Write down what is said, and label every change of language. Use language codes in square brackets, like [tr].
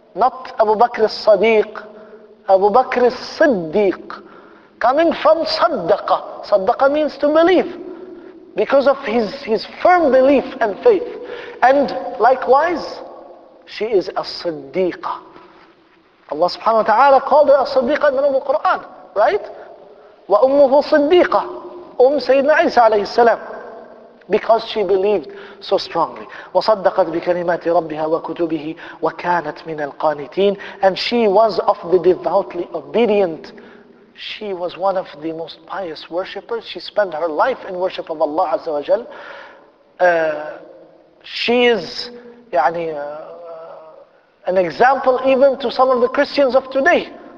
[en] Not Abu Bakr as-Siddiq, Abu Bakr as-Siddiq. Coming from Saddaqa. Saddaqa means to believe. Because of his firm belief and faith. And likewise, she is as-Siddiqa. Allah subhanahu wa ta'ala called her as-Siddiqa in the Quran. Right? [ar] وَأُمُّهُ صِدِّيقَةٌ أُمْ سَيِّدْنَا عِيسَى عَلَيْهِ السَّلَامِ, [en] because she believed so strongly. [ar] وَصَدَّقَتْ بِكَلِمَاتِ رَبِّهَا وَكُتُبِهِ وَكَانَتْ مِنَ الْقَانِتِينَ, [en] and she was of the devoutly obedient. She was one of the most pious worshippers. She spent her life in worship of Allah Azza wa Jal. She is an example even to some of the Christians of today.